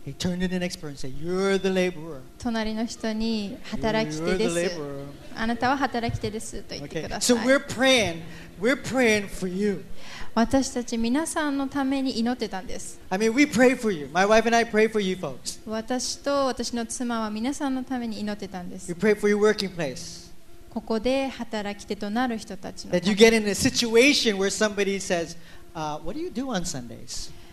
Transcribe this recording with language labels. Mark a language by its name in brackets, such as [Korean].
[English] He turned to the next person and said, "You're the laborer." [Japanese] 隣の人に働き手です、あなたは働き手ですと言ってください。 [English] So we're praying for you. [Japanese] 私たち皆さんのために祈ってたんです。 [English] I mean, we pray for you. My wife and I pray for you folks. [Japanese] 私と私の妻は皆さんのために祈ってたんです。 [English] We pray for your working place. [Japanese] ここで働き手となる人たちのために。 [English] That you get in a situation where somebody says, "What do you do on Sundays?"